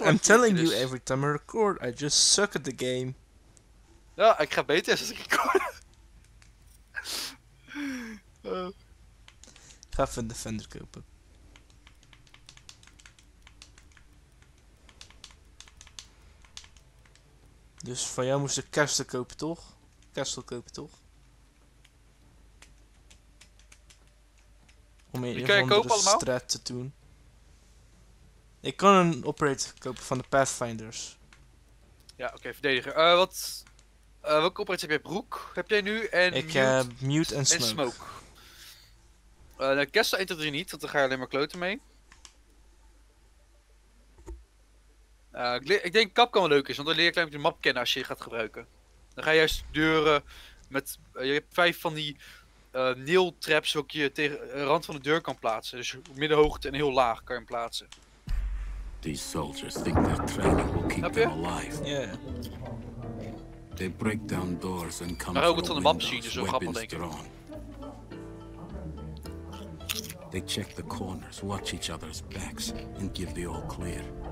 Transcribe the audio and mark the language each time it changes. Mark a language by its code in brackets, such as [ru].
[en] I'm telling you every time I record, I just suck at the game. [nl] Ja, ik ga beter als ik record. Ga even een Defender kopen. Dus van jou moest ik Kessel kopen, toch? Kessel kopen, toch? Om in ieder geval een strat te doen. Ik kan een operator kopen van de Pathfinders. Ja, oké, verdediger. Welke operator heb jij? Broek heb jij nu? En ik heb mute en smoke. Nou, Kessel 1 tot 3 niet, want dan ga je alleen maar kloten mee. Ik denk kapkan wel leuk is, want dan leer je een klein beetje de map kennen als je gaat gebruiken. Dan ga je juist deuren met... je hebt 5 van die nail traps waar je tegen de rand van de deur kan plaatsen. Dus middenhoogte en heel laag kan je hem plaatsen. [en] These soldiers think their training will keep them alive. Yeah. They break down doors and come through the windows, weapons drawn. [nl] Dus grappig. [en] They check the corners, watch each other's backs and give the all clear.